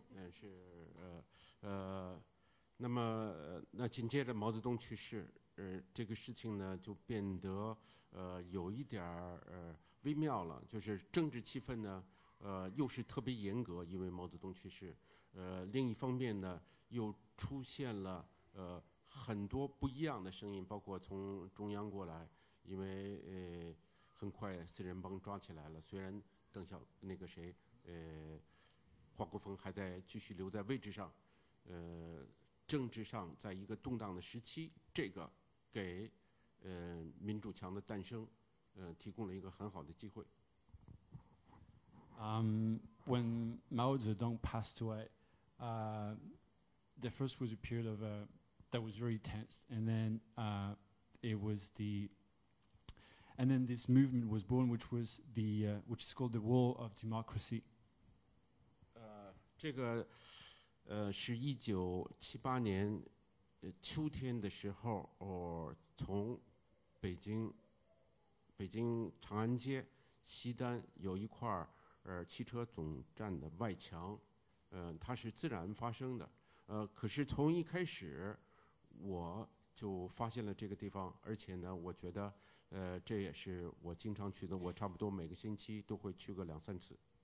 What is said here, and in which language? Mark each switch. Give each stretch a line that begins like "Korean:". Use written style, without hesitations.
Chinese: 是那么那紧接着毛泽东去世，这个事情呢就变得有一点微妙了，就是政治气氛呢又是特别严格，因为毛泽东去世，另一方面呢又出现了很多不一样的声音，包括从中央过来，因为很快四人帮抓起来了，虽然邓小那个谁华国锋还在继续留在位置上，政治上在一个动荡的时期，这个给民主墙的诞生，提供了一个很好的机会。
English: When Mao Zedong passed away, the first was a period of that was very tense, and then it was the and then this movement was born, which was the which is called the Wall of Democracy.
Chinese: 这个，是1978年秋天的时候，从北京长安街西单有一块汽车总站的外墙，它是自然发生的，可是从一开始我就发现了这个地方，而且呢，我觉得，这也是我经常去的，我差不多每个星期都会去个两三次。